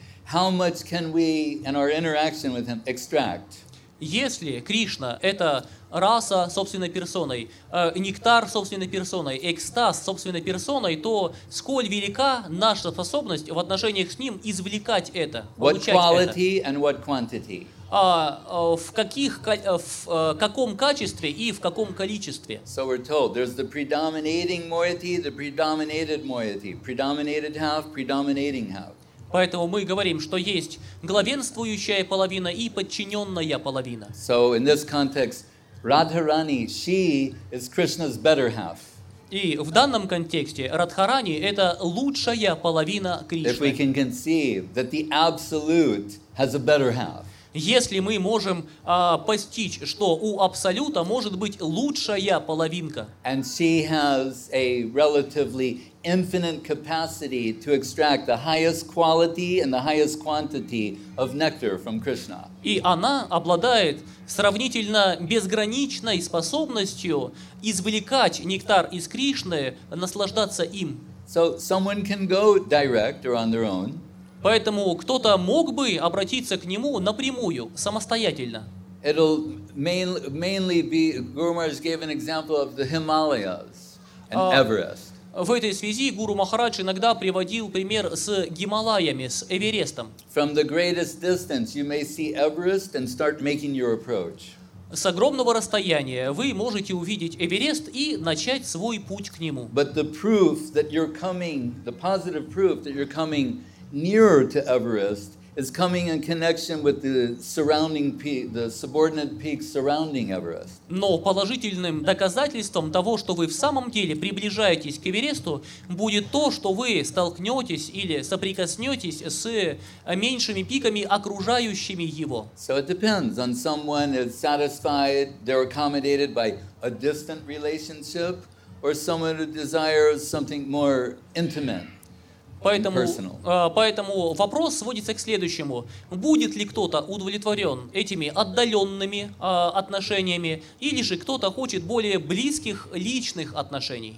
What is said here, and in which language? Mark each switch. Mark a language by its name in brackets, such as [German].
[English] How much can we, in our interaction with him, extract? [Russian] Если Кришна — это раса собственной персоной, нектар собственной персоной, экстаз собственной персоной, то сколь велика наша способность в отношениях с ним извлекать это, [English] what quality [Russian] это? [English] And what quantity? [Russian] В каком качестве и в каком количестве? [English] So we're told there's the predominating moiety, the predominated moiety, predominated half, predominating half. [Russian] Поэтому мы говорим, что есть главенствующая половина и подчиненная половина. [English] So in this context, Radharani, she is Krishna's better half. [Russian] И в данном контексте Радхарани — это лучшая половина Кришны. [English] If we can conceive that the absolute has a better half. [Russian] Если мы можем постичь, что у Абсолюта может быть лучшая половинка. [English] And she has a relatively infinite capacity to extract the highest quality and the highest quantity of nectar from Krishna. [Russian] И она обладает сравнительно безграничной способностью извлекать нектар из Кришны, наслаждаться им. [English] So someone can go direct or on their own. [Russian] Поэтому кто-то мог бы обратиться к нему напрямую, самостоятельно. [English] It'll mainly be, Guru Maharaj gave an example of the Himalayas and Everest. [Russian] В этой связи Гуру Махарадж иногда приводил пример с Гималаями, с Эверестом. [English] From the greatest distance, you may see Everest and start making your approach. [Russian] С огромного расстояния вы можете увидеть Эверест и начать свой путь к нему. [English] But the proof that you're coming, the positive proof that you're coming nearer to Everest is coming in connection with the surrounding peak, the subordinate peaks surrounding Everest. [Russian] Но положительным доказательством того, что вы в самом деле приближаетесь к Эвересту, будет то, что вы столкнетесь или соприкоснетесь с меньшими пиками, окружающими его. [English] So it depends on someone is satisfied, they're accommodated by a distant relationship, or someone who desires something more intimate. [Russian] Поэтому вопрос сводится к следующему. Будет ли кто-то удовлетворен этими отдаленными отношениями, или же кто-то хочет более близких личных отношений?